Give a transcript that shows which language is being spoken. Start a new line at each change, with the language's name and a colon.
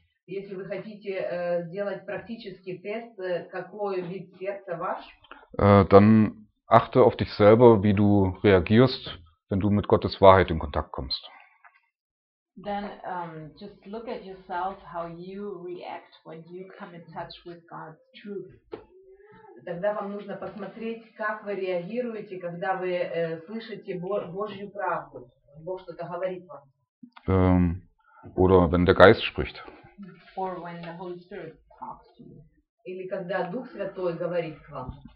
Russian: если вы хотите сделать практический тест, какой вид сердца ваш,
German: dann achte auf dich selber, wie du reagierst, wenn du mit Gottes Wahrheit in Kontakt kommst.
English: Then just look at yourself, how you react when you come in touch with God's truth.
Russian: Тогда вам нужно посмотреть, как вы реагируете, когда вы слышите Божью правду. Бог что-то говорит вам.
German: Oder wenn der Geist spricht.
English: Or when the Holy Spirit talks to you.
Russian: Или когда Дух Святой говорит к вам.